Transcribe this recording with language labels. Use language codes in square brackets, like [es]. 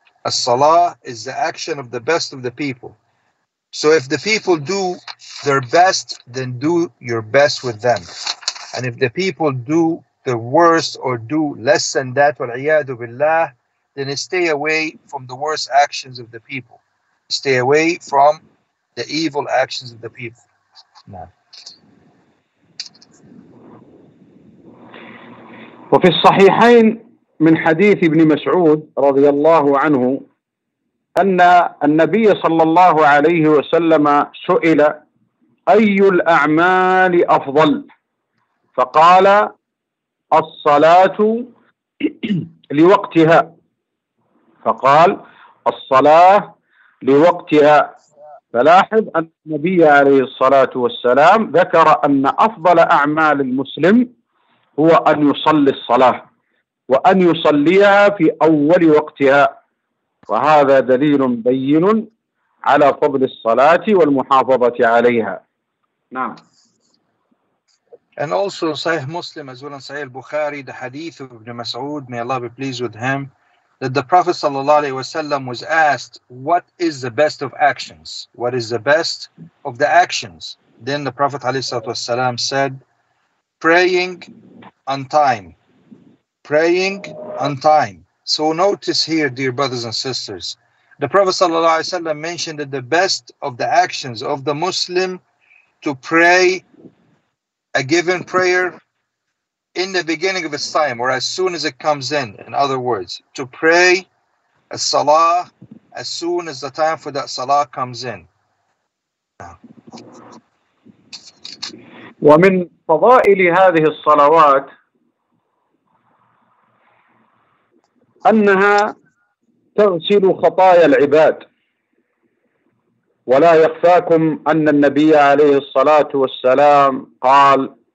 [en] As-salah is the action of the best of the people. So if the people do their best, then do your best with them. And if the people do the worst or do less than that, wal-iyadu billah, then stay away from the worst actions of the people. Stay away from the evil actions of the people." Nah. [ar] وفي الصحيحين من حديث ابن مسعود رضي الله عنه أن النبي صلى الله عليه وسلم سئل أي الأعمال أفضل فقال الصلاة لوقتها فقال الصلاة لوقتها. فلاحظ أن النبي عليه الصلاة والسلام ذكر أن أفضل أعمال المسلم هو أن يصلي الصلاة وأن يصليها في أول وقتها، وهذا دليل بين على فضل الصلاة والمحافظة عليها. نعم. [en] And also Sahih Muslim as well as Sahih Bukhari, the hadith of Ibn Mas'ud, may Allah be pleased with him, that the Prophet sallallahu alaihi wasallam was asked, "What is the best of actions? What is the best of the actions?" Then the Prophet sallallahu alaihi wasallam said, "Praying on time, praying on time." So notice here, dear brothers and sisters, the Prophet sallallahu alaihi wasallam mentioned that the best of the actions of the Muslim to pray a given prayer in the beginning of his time, or as soon as it comes in. In other words, to pray a salah as soon as the time for that salah comes in. [ar] ومن فضائل هذه الصلوات أنها تغسل خطايا العباد، ولا يخفاكم أن النبي عليه الصلاة والسلام قال: